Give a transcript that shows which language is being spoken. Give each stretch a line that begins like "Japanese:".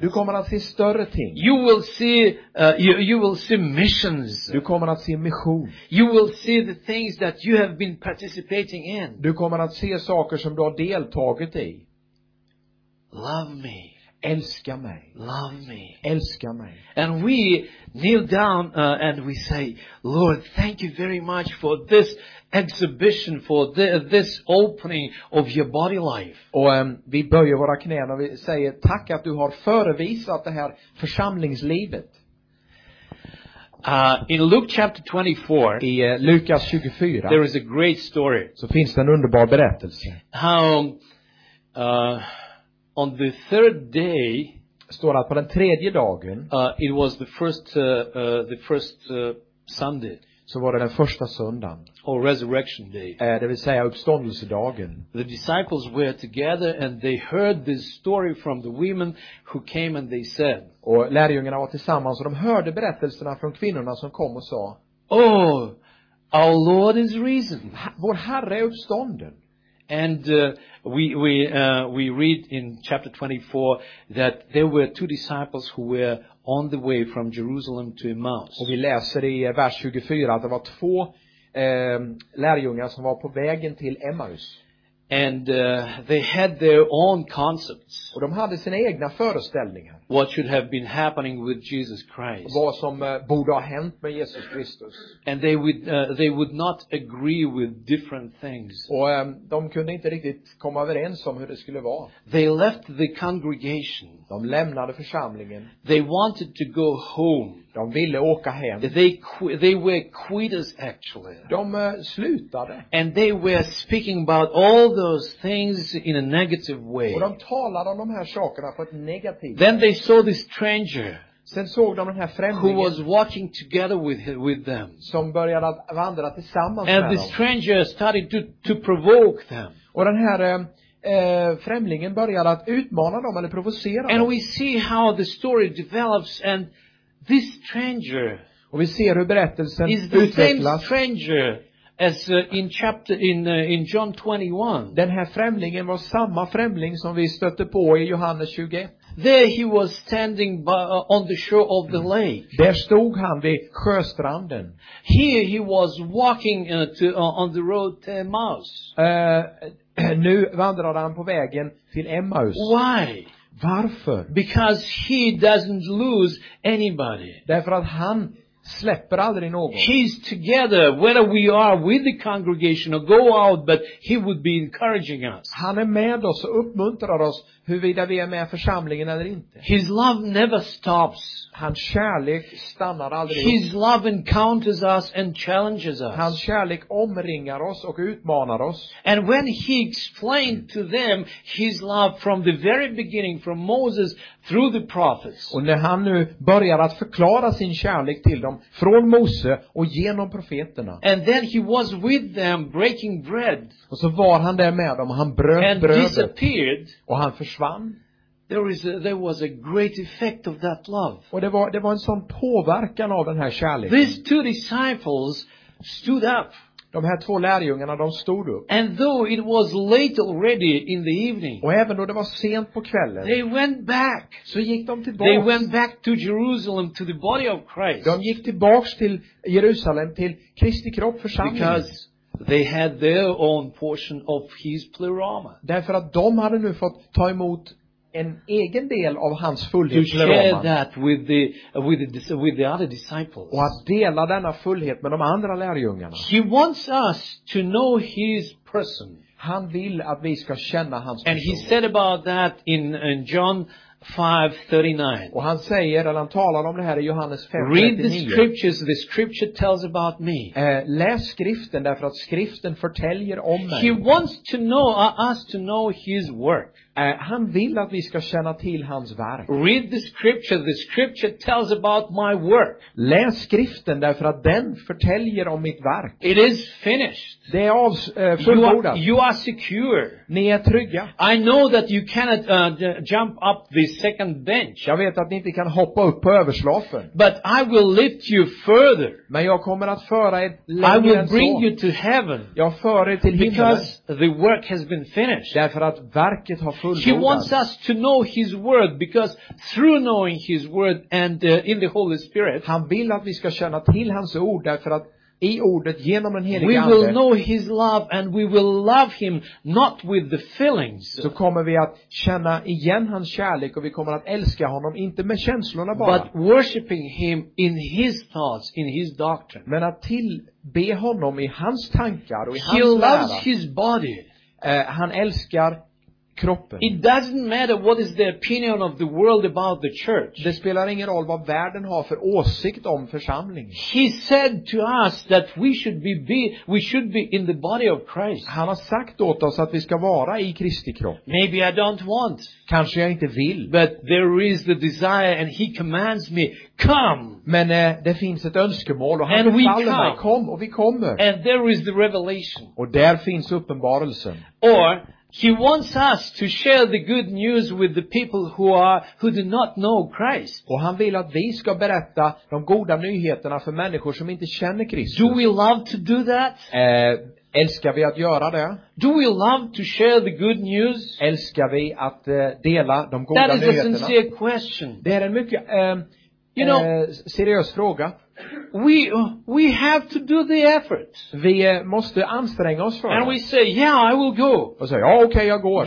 Swedish: Du kommer att se större ting.
English: You will see you will see missions.
Swedish: Du kommer att se mission.
English: You will see the things that you have been participating in.
Swedish: Du kommer att se saker som du har deltagit i.
English: Love me.
Swedish: Älska mig.
English: Love me.
Swedish: Älska mig.
English: And we kneel down and we say, Lord, thank you very much for this exhibition, for this opening of your body life.
Swedish: Och vi böjer våra knän och vi säger tack att du har förevisat det här församlingslivet.
English: In Luke chapter 24,
Swedish: i Lukas 24,
English: there is a great story.
Swedish: Så finns det en underbar berättelse.
English: How on the third day,
Swedish: står att på den tredje dagen,
English: it was the first Sunday.
Swedish: Så var det den första söndagen.
English: Or resurrection day.
Swedish: Det vill säga uppståndelsedagen.
English: The disciples were together and they heard this story from the women who came and they said.
Swedish: Och lärjungarna var tillsammans och de hörde berättelserna från kvinnorna som kom och sa.
English: Oh, our Lord is risen.
Swedish: Vår Herre är uppstånden.
English: And we read in chapter 24 that there were two disciples who were on the way from Jerusalem to Emmaus.
Swedish: Och vi läser i vers 24 att det var två lärjungar som var på vägen till Emmaus.
English: And they had their own concepts.
Swedish: Och de hade sina egna föreställningar.
English: What should have been happening with Jesus Christ?
Swedish: Vad som borde ha hänt med Jesus Kristus.
English: And they would not agree with different things.
Swedish: Och de kunde inte riktigt komma överens om hur det skulle vara.
English: They left the congregation.
Swedish: De lämnade församlingen.
English: They wanted to go home.
Swedish: De ville åka hem.
English: They were quitters actually.
Swedish: De slutade.
English: And they were speaking about all those things in a negative way.
Swedish: Och de talade om de här sakerna på ett negativt sätt.
English: Then they saw this stranger.
Swedish: Sen såg de den här främlingen.
English: Who was walking together with them.
Swedish: Som började att vandra tillsammans med dem.
English: And the stranger started to provoke them.
Swedish: Och den här främlingen började att utmana dem eller provocera dem.
English: And we see how the story develops and this stranger.
Swedish: Och vi ser hur berättelsen
English: is the same stranger as in John 21.
Swedish: Den här främlingen var samma främling som vi stötte på i Johannes 21.
English: There he was standing on the shore of the lake.
Swedish: Där stod han vid sjöstranden.
English: Here he was walking on the road to Emmaus.
Swedish: Nu vandrar han på vägen till Emmaus.
English: Why?
Swedish: Varför?
English: Because he doesn't lose anybody.
Swedish: Därför att han släpper aldrig någon.
English: He's together whether we are with the congregation or go out, but he would be encouraging us.
Swedish: Han är med oss och uppmuntrar oss huruvida vi är med församlingen eller inte.
English: His love never stops.
Swedish: Hans kärlek stannar aldrig.
English: His love encounters us and challenges us.
Swedish: Hans kärlek omringar oss och utmanar oss.
English: And when he explained to them his love from the very beginning, from Moses through the prophets.
Swedish: Och när han nu börjar att förklara sin kärlek till dem från Mose och genom profeterna.
English: And then he was with them breaking bread.
Swedish: Och så var han där med dem och han bröt
English: and
Swedish: brödet.
English: And disappeared.
Swedish: Och han försvann.
English: There was a great effect of that love.
Swedish: Och det var en sån påverkan av den här kärleken.
English: These two disciples stood up.
Swedish: De här två lärjungarna, de stod upp.
English: And though it was late already in the evening.
Swedish: Och även då det var sent på kvällen.
English: They went back.
Swedish: Så gick de tillbaka.
English: They went back to Jerusalem to the body of Christ.
Swedish: De gick tillbaka till Jerusalem till Kristi kropp församling.
English: Because they had their own portion of his pleroma.
Swedish: Därför att de hade nu fått ta emot en egen del av hans fullhet.
English: To share that with the other disciples.
Swedish: Och att dela denna fullhet med de andra lärjungarna.
English: He wants us to know his person.
Swedish: Han vill att vi ska känna hans person.
English: And he said about that in John 5:39.
Swedish: Och han säger, eller han talar om det här i Johannes 5:39.
English: Read the scriptures, the scripture tells about me.
Swedish: Läs skriften därför att skriften förtäljer om mig.
English: He wants to know us to know his work.
Swedish: Han vill att vi ska känna till hans verk.
English: Read the scripture tells about my work.
Swedish: Läs skriften därför att den förtäljer om mitt verk.
English: It is finished.
Swedish: Det är fullbordat.
English: You are secure.
Swedish: Ni är trygga.
English: I know that you cannot jump up the second bench.
Swedish: Jag vet att ni inte kan hoppa upp på överslafen.
English: But I will lift you further.
Swedish: Men jag kommer att föra er längre.
English: I will bring you to heaven.
Swedish: Jag för er till himlen.
English: Because the work has been finished.
Swedish: Därför att verket har fullbordats.
English: He wants us to know his word because through knowing his word and in the Holy Spirit.
Swedish: Han vill att vi ska känna till hans ord därför att i ordet genom den helige ande.
English: We will know his love and we will love him not with the feelings.
Swedish: Så kommer vi att känna igen hans kärlek och vi kommer att älska honom inte med känslorna bara.
English: But worshiping him in his thoughts, in his doctrine.
Swedish: Men att tillbe honom i hans tankar och i hans lära.
English: He loves his body.
Swedish: Han älskar kroppen.
English: It doesn't matter what is the opinion of the world about the church.
Swedish: Det spelar ingen roll vad världen har för åsikt om församlingen.
English: He said to us that we should be in the body of Christ.
Swedish: Han har sagt åt oss att vi ska vara i Kristi kropp.
English: Maybe I don't want.
Swedish: Kanske jag inte vill.
English: But there is the desire and he commands me, come.
Swedish: Men det finns ett önskemål och han befaller mig, kom, och vi kommer.
English: And there is the revelation.
Swedish: Och där finns uppenbarelsen.
English: Or he wants us to share the good news with the people who do not know Christ.
Swedish: Och han vill att vi ska berätta de goda nyheterna för människor som inte känner Kristus.
English: Do we love to do that?
Swedish: Älskar vi att göra det?
English: Do we love to share the good news?
Swedish: Älskar vi att dela de goda nyheterna?
English: That is a sincere question.
Swedish: Det är en mycket seriös fråga.
English: we have to do the effort.
Swedish: Vi måste anstränga oss för.
English: And we say, yeah, I will go.
Swedish: Och säger, oh, okay, jag går.